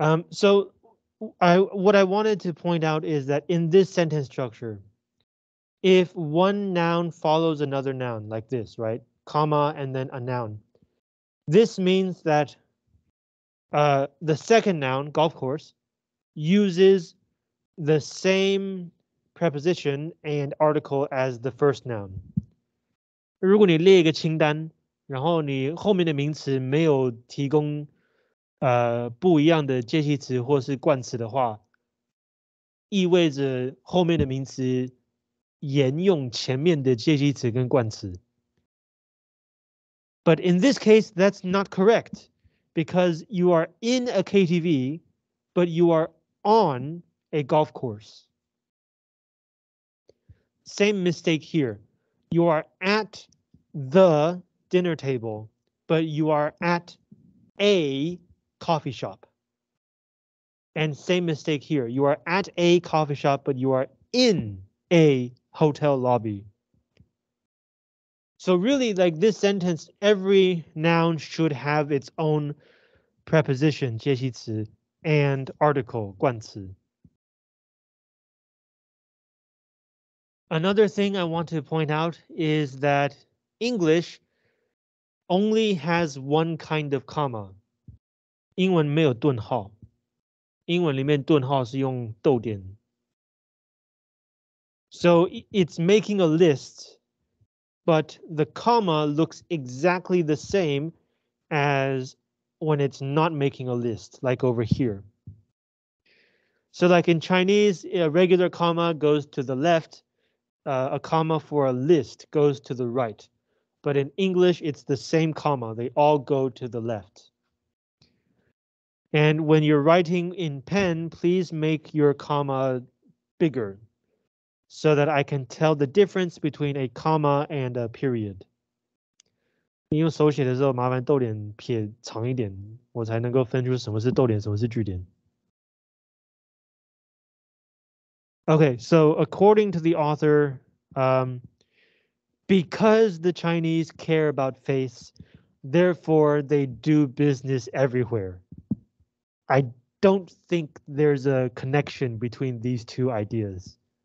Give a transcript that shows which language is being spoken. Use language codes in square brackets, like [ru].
[en] So what I wanted to point out is that in this sentence structure, if one noun follows another noun like this, right, comma and then a noun, this means that the second noun, golf course, uses the same preposition and article as the first noun. [zh] 如果你列一个清单，然后你后面的名词没有提供不一样的介系词或是冠词的话，意味着后面的名词沿用前面的介系词跟冠词。 [en] But in this case, that's not correct, because you are in a KTV, but you are on a golf course. Same mistake here. You are at the dinner table, but you are at a coffee shop. And same mistake here. You are at a coffee shop, but you are in a hotel lobby. So really, like this sentence, every noun should have its own preposition, 介系词, and article, 冠词. Another thing I want to point out is that English only has one kind of comma. [zh] 英文没有顿号，英文里面顿号是用逗点。 [en] So it's making a list, but the comma looks exactly the same as when it's not making a list, like over here. So like in Chinese, a regular comma goes to the left, a comma for a list goes to the right. But in English, it's the same comma. They all go to the left. And when you're writing in pen, please make your comma bigger so that I can tell the difference between a comma and a period. [zh] 你用手写的时候，麻烦逗点撇长一点，我才能够分出什么是逗点，什么是句点。 [en] Okay, so according to the author, because the Chinese care about face, therefore they do business everywhere. I don't think there's a connection between these two ideas.